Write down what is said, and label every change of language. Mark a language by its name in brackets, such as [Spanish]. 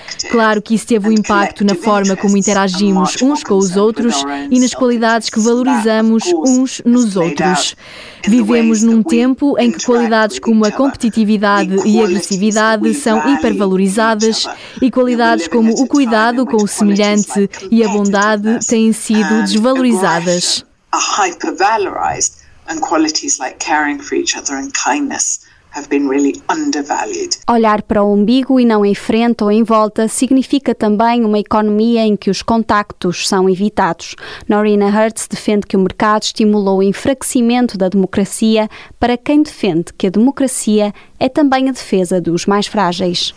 [Portuguese] Claro que isso teve um impacto na forma como interagimos uns com os outros e nas qualidades que valorizamos uns nos outros. Vivemos num tempo em que qualidades como a competitividade e a agressividade são hipervalorizadas e qualidades como o cuidado com o semelhante e a bondade têm sido desvalorizadas. [English] And qualities like caring for each other and kindness have been really undervalued. [Portuguese] Olhar para o umbigo e não em frente ou em volta significa também uma economia em que os contactos são evitados. Norina Hertz defende que o mercado estimulou o enfraquecimento da democracia para quem defende que a democracia é também a defesa dos mais frágeis.